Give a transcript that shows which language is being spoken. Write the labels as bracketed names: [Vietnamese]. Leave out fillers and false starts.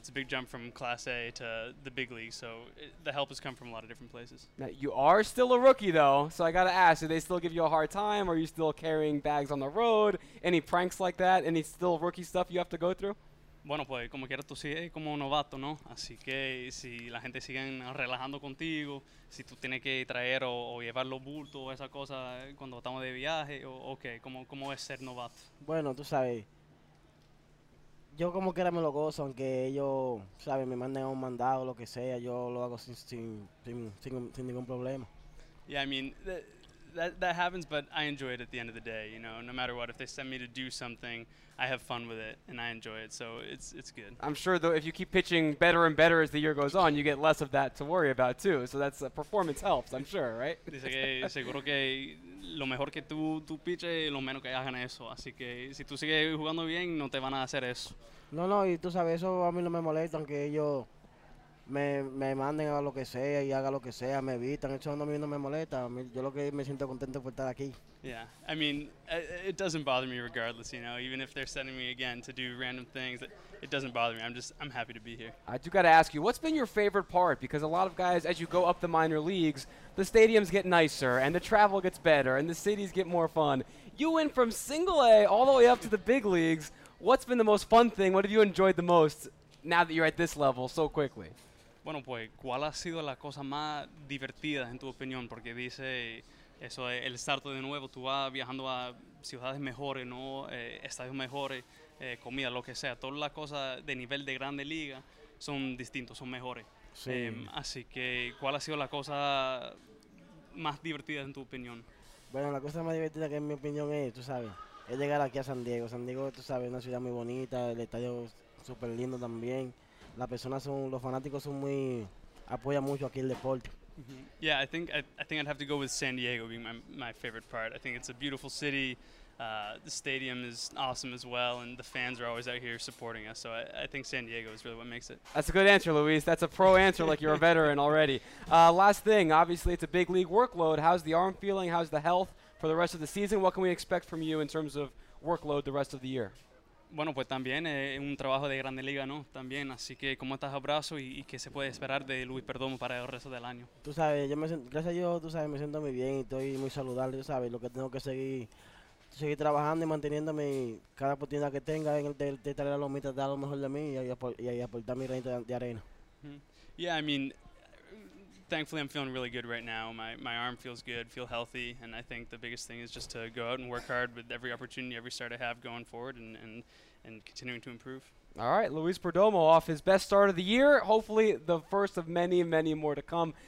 [English] It's a big jump from Class A to the big league. So the help has come from a lot of different places. Now, you are still a rookie, though. So I got to ask, do they still give you a hard time? Are you still carrying bags on the road? Any pranks like that? Any still rookie stuff you have to go through? [Spanish] Bueno, pues, como quieras, tú sigues como novato, ¿no? Así que si la gente sigue relajando contigo, si tú tienes que traer o llevar los bultos o esa cosa cuando estamos de viaje, ¿o qué? ¿Cómo es ser novato? Bueno, tú sabes, yo como quiera me lo gozo, aunque ellos, saben, me manden un mandado, lo que sea, yo lo hago sin ningún problema. [English] Yeah, I mean, that happens, but I enjoy it at the end of the day, you know, no matter what. If they send me to do something, I have fun with it, and I enjoy it, so it's good. I'm sure, though, if you keep pitching better and better as the year goes on, you get less of that to worry about, too. So that's performance helps, I'm sure, right? [Spanish] Dice que seguro que lo mejor que tú piches, lo menos que hagan eso. Así que si tú sigues jugando bien, no te van a hacer eso. No, no, y tú sabes, eso a mí no me molesta, aunque ellos... Me manden a lo que sea y haga lo que sea, me evitan, eso a mí no me molesta, yo lo que me siento contento por estar aquí. [English] Yeah, I mean, it doesn't bother me regardless, you know, even if they're sending me again to do random things, it doesn't bother me, I'm happy to be here. I do got to ask you, what's been your favorite part? Because a lot of guys, as you go up the minor leagues, the stadiums get nicer, and the travel gets better, and the cities get more fun. You went from single A all the way up to the big leagues. What's been the most fun thing? What have you enjoyed the most now that you're at this level so quickly? [Spanish] Bueno, pues, ¿cuál ha sido la cosa más divertida, en tu opinión? Porque dice eso, el salto de nuevo, tú vas viajando a ciudades mejores, ¿no? Estadios mejores, comida, lo que sea. Todas las cosas de nivel de grande liga son distintos, son mejores. Sí. Así que, ¿cuál ha sido la cosa más divertida, en tu opinión? Bueno, la cosa más divertida que en mi opinión es, tú sabes, es llegar aquí a San Diego. San Diego, tú sabes, es una ciudad muy bonita, el estadio súper lindo también. La persona son, los fanáticos son muy, apoyan mucho aquí el deporte. Mm-hmm. [English] Yeah, I think I'd have to go with San Diego being my favorite part. I think it's a beautiful city. The stadium is awesome as well, and the fans are always out here supporting us. So I think San Diego is really what makes it. That's a good answer, Luis. That's a pro answer, like you're a veteran already. Last thing, obviously it's a big league workload. How's the arm feeling? How's the health for the rest of the season? What can we expect from you in terms of workload the rest of the year? [Spanish] Bueno, pues también es un trabajo de grande liga, ¿no? También, así que, ¿cómo estás, abrazo? ¿Y qué se puede esperar de Luis Perdomo para el resto del año? Tú sabes, yo me siento, gracias a Dios, tú sabes, me siento muy bien y estoy muy saludable, tú sabes, lo que tengo que seguir trabajando y manteniéndome y cada oportunidad que tenga en el de traer a los mitos, dar lo mejor de mí y aportar mi granito de arena. Mm-hmm. [English] Yeah, I mean, thankfully I'm feeling really good right now. My arm feels good, feel healthy, and I think the biggest thing is just to go out and work hard with every opportunity, every start I have going forward and continuing to improve. All right, Luis Perdomo off his best start of the year. Hopefully the first of many, many more to come.